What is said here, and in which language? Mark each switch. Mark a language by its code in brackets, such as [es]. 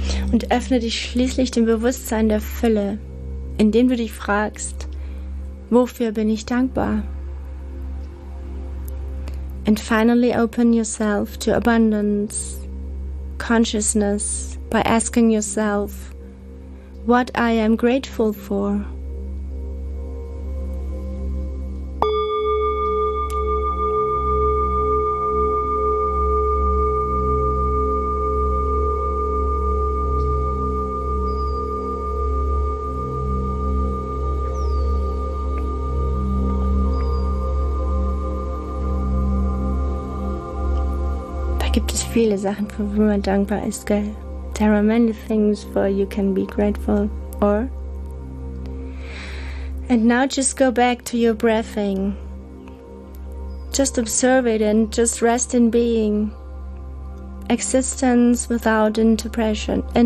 [de] Und öffne dich schließlich dem Bewusstsein der Fülle, indem du dich fragst, wofür bin ich dankbar? [en] And finally open yourself to abundance, consciousness, by asking yourself, what I am grateful for. [de] Viele Sachen, für die man dankbar ist, gell? [en] There are many things for you can be grateful for. And now just go back to your breathing. Just observe it and just rest in being. Existence without interpretation.